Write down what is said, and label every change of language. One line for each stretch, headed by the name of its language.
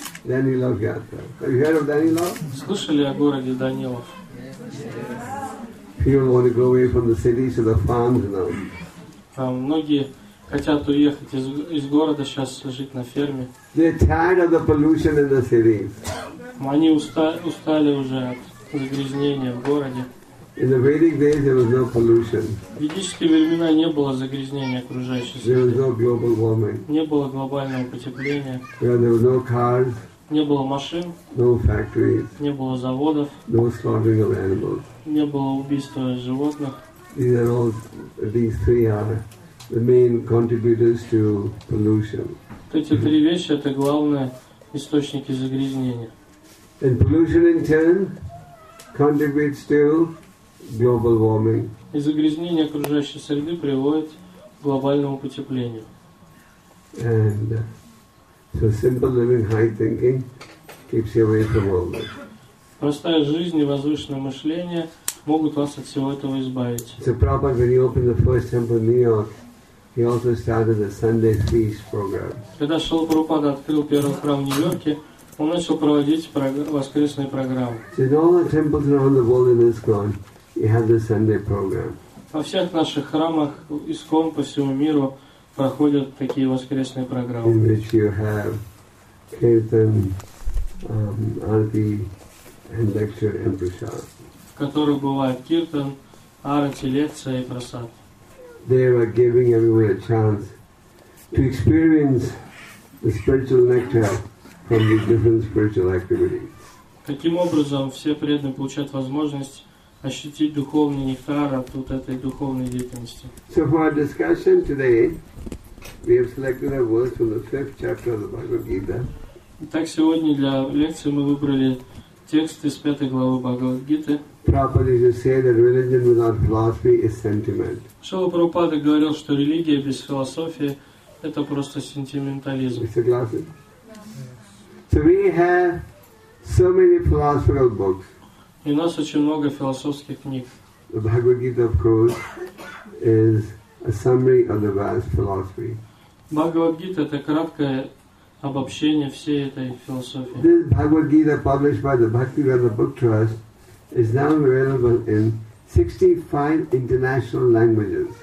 Russian: Слышали о городе Данилов?
English: People want to go away from the cities to the farms now.
Russian: Многие хотят уехать из города сейчас жить на ферме.
English: They're tired of the pollution in the cities.
Russian: Они устали уже от загрязнения в городе.
English: In the Vedic days there was no pollution.
Russian: В ведические времена не было загрязнения окружающей среды.
English: There was no global warming.
Russian: Не было глобального потепления.
English: There was no cars.
Russian: Не было машин.
English: No factories.
Russian: Не было заводов.
English: No slaughtering of animals.
Russian: Не было убийства животных.
English: These three are the main contributors to pollution.
Russian: Эти три вещи — это главные источники загрязнения.
English: And pollution in turn contributes to global warming.
Russian: И загрязнение окружающей среды приводит к глобальному потеплению.
English: And so simple living, high thinking keeps you away from all that.
Russian: Простая жизнь и возвышенное мышление могут вас от всего этого избавить.
English: So Prabhupada, when he opened the first temple in New York, he also started a Sunday feast program.
Russian: Когда Шрила Прабхупада открыл первый храм в Нью-Йорке, он начал проводить воскресные программы.
English: In all the temples around the world in ISKCON, he had the Sunday program.
Russian: Во всех наших храмах ИСКОН по всему миру проходят такие воскресные программы.
English: In which you have kirtan, arati, and lecture and prasad.
Russian: В которых бывает киртан, арати, лекция и прасад.
English: They are giving everyone a chance to experience the spiritual nectar from these different spiritual activities.
Russian: Таким образом, все преданные получают возможность ощутить духовный нектар от вот этой духовной деятельности.
English: So for our discussion today, we have selected a verse from the fifth chapter of the Bhagavad Gita.
Russian: Итак, сегодня для лекции мы выбрали текст из пятой главы Бхагавад Гиты.
English: Prabhupada used to say that religion without philosophy is sentiment.
Russian: Шрила Прабхупада говорил, что религия без философии — это просто сентиментализм.
English: Is it glasses? Yes. So we have so many philosophical books.
Russian: И у нас очень много философских книг.
English: The Bhagavad Gita, of course, is a summary of the vast philosophy.
Russian: Bhagavad Gita — это краткое обобщение всей этой философии.
English: This Bhagavad Gita, published by the Bhaktivedanta Book Trust, is now available in 65 international languages.